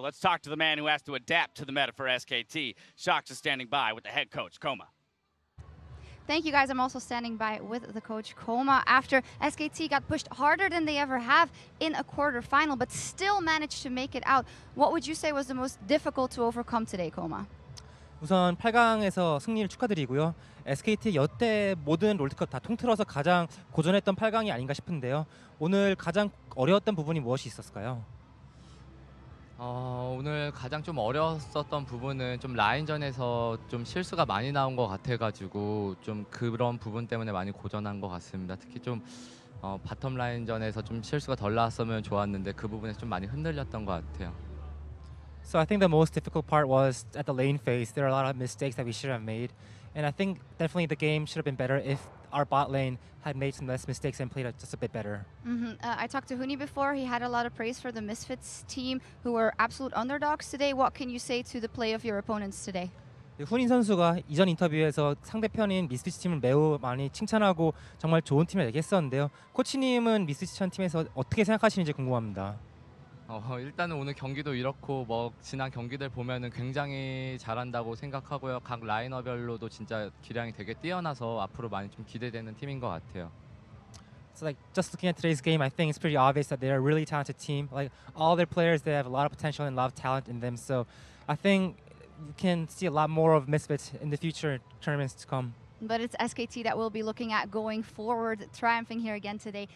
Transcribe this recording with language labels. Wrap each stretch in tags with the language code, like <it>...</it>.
<en>Let's talk to the man who has to adapt to the meta for SKT. Shox is standing by with the head coach, Koma. Thank you, guys. I'm also standing by with the coach, Koma. After SKT got pushed harder than they ever have in a quarterfinal, but still managed to make it out, what would you say was the most difficult to overcome today, Koma?</en> <ko>우선 8강에서 승리를 축하드리고요. SKT 여태 모든 롤드컵 다 통틀어서 가장 고전했던 8강이 아닌가 싶은데요. 오늘 가장 어려웠던 부분이 무엇이 있었을까요? 오늘 가장 좀 어려웠었던 부분은 좀 라인전에서 좀 실수가 많이 나온 것 같아가지고 좀 그런 부분 때문에 많이 고전한 것 같습니다. 특히 좀 바텀 라인전에서 좀 실수가 덜 나왔으면 좋았는데 그 부분에서 좀 많이 흔들렸던 것 같아요.</ko> <en>So I think the most difficult part was at the lane phase. There are a lot of mistakes that we should have made. And I think definitely the game should have been better if our bot lane had made some less mistakes and played just a bit better. Mm-hmm. I talked to Huni before. He had a lot of praise for the Misfits team, who were absolute underdogs today. What can you say to the play of your opponents today?</en> <ko>훈인 선수가 이전 인터뷰에서 상대편인 미스피치 팀을 매우 많이 칭찬하고 정말 좋은 팀을 얘기했었는데요. 코치님은 미스피치 팀에서 어떻게 생각하시는지 궁금합니다. 일단은 오늘 경기도 이렇고 뭐 지난 경기들 보면은 굉장히 잘한다고 생각하고요. 각 라이너별로도 진짜 기량이 되게 뛰어나서 앞으로 많이 좀 기대되는 팀인 것 같아요.</ko> <en>So like just looking at today's game, I think it's pretty obvious that they're a really talented team. Like all their players, they have a lot of potential and a lot of talent in them. So I think you can see a lot more of Misfits in the future tournaments to come. But it's SKT that we'll be looking at going forward, triumphing here again today.</en>